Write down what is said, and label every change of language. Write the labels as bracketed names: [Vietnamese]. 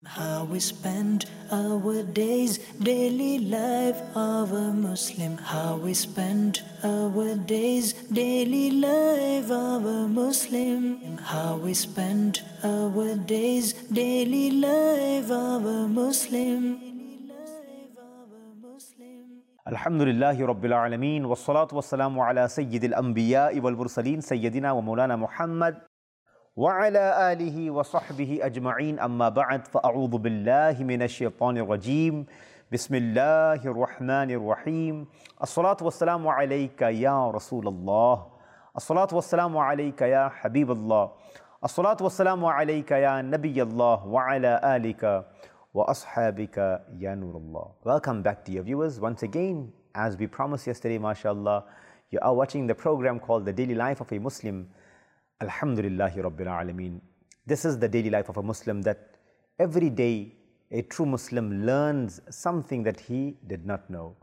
[English] how we spend our days, daily life of a Muslim. How we spend our days, daily life of a Muslim. How we spend our days, daily life of a Muslim. [Arabic] الحمد لله رب العالمين والصلاة والسلام على سيد الأنبياء والمرسلين سيدنا ومولانا محمد وعلى آله وصحبه أجمعين أما بعد فأعوذ بالله من الشيطان الرجيم بسم الله الرحمن الرحيم الصلاة والسلام عليك يا رسول الله الصلاة والسلام عليك يا حبيب الله الصلاة والسلام عليك يا نبي الله وعلى آلك وَأَصْحَابِكَ يَا نُورَ اللَّهِ. [English] Welcome back, dear viewers. Once again, as we promised yesterday, mashallah, you are watching the program called The Daily Life of a Muslim. [Arabic] Alhamdulillahi Rabbil Alameen. [English] This is the daily life of a Muslim, that every day a true Muslim learns something that he did not know.